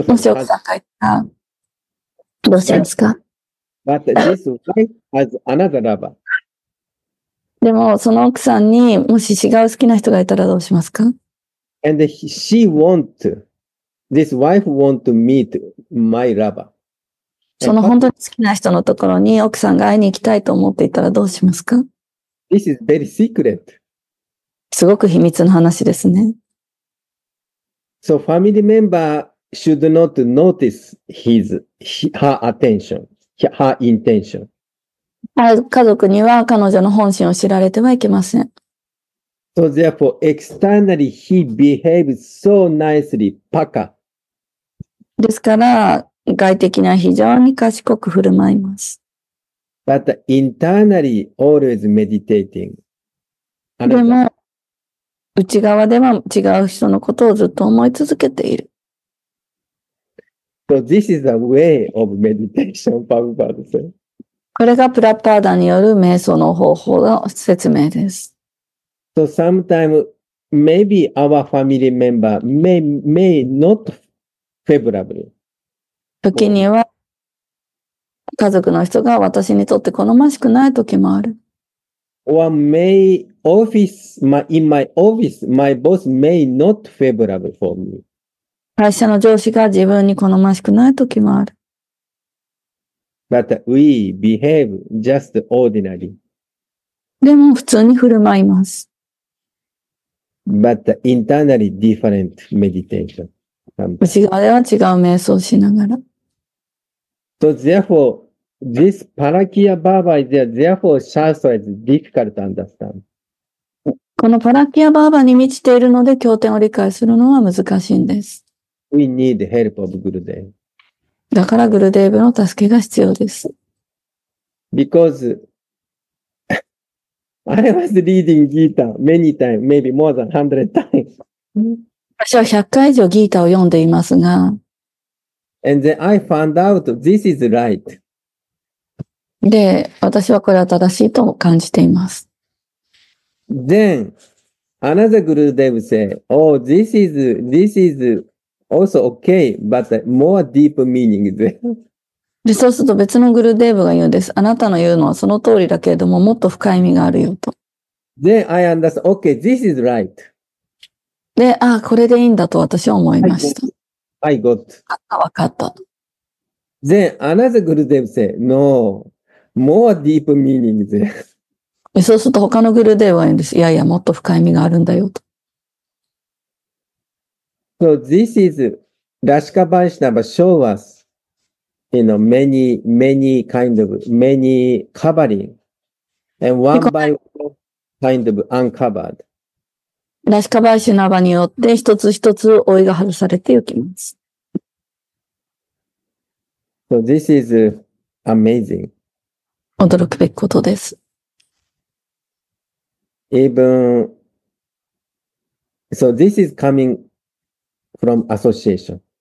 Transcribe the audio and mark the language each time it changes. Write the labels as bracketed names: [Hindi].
[Japanese] have もしお子さんがいたら、どうしますか [English] ?But this wife has another lover. [Japanese] でも、その奥さんにもし違う好きな人がいたらどうしますか [English] ?And she want, this wife want to meet my lover. [Japanese] その本当に好きな人のところに奥さんが会いに行きたいと思っていたらどうしますか [English] ?This is very secret. [Japanese] すごく秘密の話ですね。 [English] So family member should not notice her attention, her intention. [Japanese] 家族には彼女の本心を知られてはいけません。 [English] So therefore, externally he behaves so nicely, paka. [Japanese] ですから、外的には非常に賢く振る舞います。 [English] But internally always meditating. [Japanese] でも、内側では違う人のことをずっと思い続けている。 [English] So this is a way of meditation, Prabhupada said. [Japanese] これがプラッパーダによる瞑想の方法の説明です。 [English] So sometimes, maybe our family member may not favorable. [Japanese] 時には、家族の人が私にとって好ましくない時もある。 [English] Or may office, in my office, my boss may not favorable for me. [Japanese] 会社の上司が自分に好ましくない時もある。 [English] But we behave just ordinary. [Japanese] でも普通に振る舞います。 [English] But internally different meditation. [Japanese] 内側では違う瞑想しながら。 [English] So therefore,This Parakya Bhava is there, therefore Shastra is difficult to understand. [Japanese] このパラキアバーバに満ちているので経典を理解するのは難しいんです。 [English] We need help of Gurudev. [Japanese] だからグルデーブの助けが必要です。 [English] Because I was reading Gita many times, maybe more than 100 times. [Japanese] 私は100回以上 Gita を読んでいますが。 [English] And then I found out this is right. [Japanese] で、私はこれは正しいと感じています。 [English] Then, another Gurudev said, Oh, this is also okay, but more deep meaning there. [Japanese] で、そうすると別のグルデーブが言うんです。あなたの言うのはその通りだけれども、もっと深い意味があるよと。 [English] Then I understand, okay, this is right. [Japanese] で、ああ、これでいいんだと私は思いました。 [English] I got. [Japanese] わかった。 [English] Then, another Gurudev said, No. More deep meaning there. [Japanese] そうすると他のグルデーブは言うんです。いやいや、もっと深い意味があるんだよと。 [English] So this is Rashika Vaishnava show us, you know, many, many kind of, many covering. And one by one kind of uncovered. [Japanese] ラシカバイシュナバによって一つ一つ追いが外されていきます。 [English] So this is amazing. [Japanese] 驚くべきことです。 [English] Even, so this is coming from association.